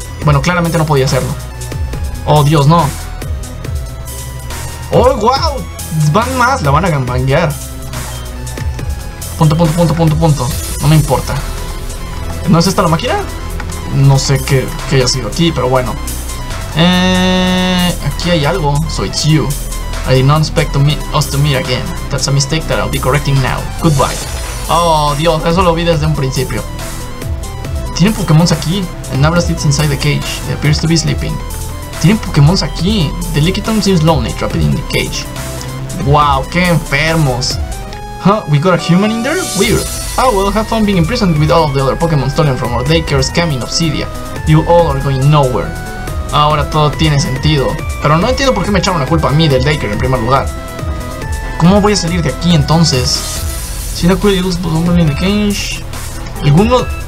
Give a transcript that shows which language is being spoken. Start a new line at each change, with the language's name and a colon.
Spanish: Bueno, claramente no podía hacerlo. Oh, Dios, no. Oh, wow. Van más, la van a gambanguear. Punto, punto, punto, punto, punto. No me importa. ¿No es esta la máquina? No sé qué haya sido aquí, pero bueno. Aquí hay algo.
English: So it's you. I did not expect us to meet again. That's a mistake that I'll be correcting now. Goodbye.
Spanish: Oh, Dios, eso lo vi desde un principio. Tienen Pokémon aquí.
English: And Nabra sits inside the cage. It appears to be sleeping.
Spanish: Tienen Pokémon aquí.
English: The Lickitung seems lonely, trapped in the cage. Wow,
Spanish: qué enfermos.
English: Huh, we got a human in there? Weird. Oh, we'll have fun being imprisoned with all of the other Pokémon stolen from our daycare scamming Obsidia. You all are going nowhere.
Spanish: Ahora todo tiene sentido. Pero no entiendo por qué me echaron la culpa a mí del daycare en primer lugar. ¿Cómo voy a salir de aquí entonces? Si no cuido los Pokémon
English: in the cage.
Spanish: ¿Alguno?